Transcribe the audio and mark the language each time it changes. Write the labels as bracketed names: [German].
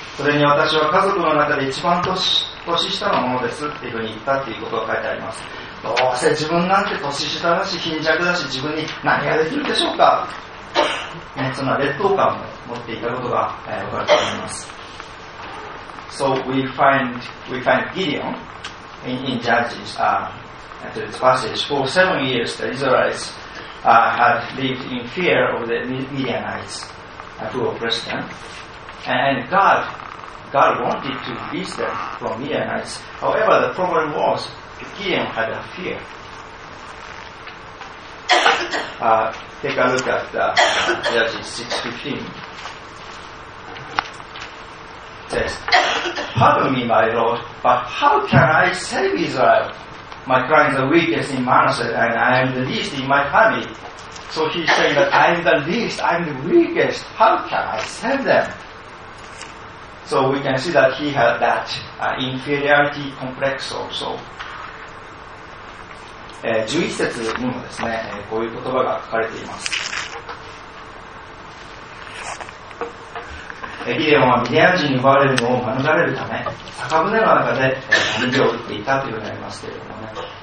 [Japanese] それに私は家族の中で一番 年下のものですっていうふうに言ったっていうことが書いてあります。どうせ自分なんて年下だし貧弱だし、自分に何ができるでしょうか、ね、そんな劣等感を持っていたことが分かると思います。 [English] So we find GideonIn Judges, after this passage, for 7 years the Israelites had lived in fear of the Midianites, who oppressed them. And God wanted to release them from Midianites. However, the problem was Gideon had a fear. Take a look at Judges 6:15. Says, pardon me, my Lord, but how can I save Israel? My clan's the weakest in Manasseh, and I am the least in my family. So he's saying that I am the least, I am the weakest. How can I save them? So we can see that he had that inferiority complex also. [Japanese] 11節にもですね、こういう言葉が書かれています。ギデオンはミディアン人に奪われるのを免れるため、酒舟の中で燃料を売っていたというふうになりますけれどもね。